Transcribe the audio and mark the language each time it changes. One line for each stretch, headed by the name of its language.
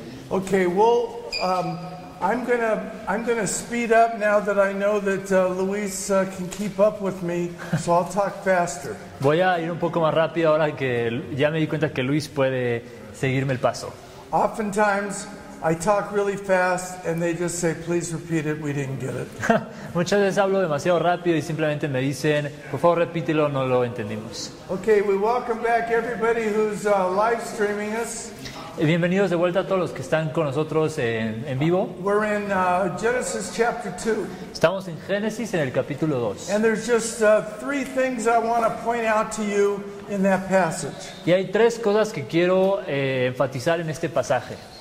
English: Okay, well, I'm gonna speed up now that I know that Luis can keep up with me, so I'll talk faster.
Spanish: Voy a ir un poco más rápido ahora que ya me di cuenta que Luis puede seguirme el paso.
English: Oftentimes, I talk really fast, and they just say, "Please repeat it. We didn't get it."
Spanish: Muchas veces hablo demasiado rápido y simplemente me dicen, "Por favor, repítelo. No lo entendimos."
English: Okay, we welcome back everybody who's live streaming us.
Spanish: Bienvenidos de vuelta a todos los que están con nosotros en vivo.
English: We're in Genesis chapter 2.
Spanish: Estamos en Génesis en el capítulo 2.
English: And there's just three things I want to point out to you in that passage.
Spanish: Y hay tres cosas que quiero enfatizar en este pasaje.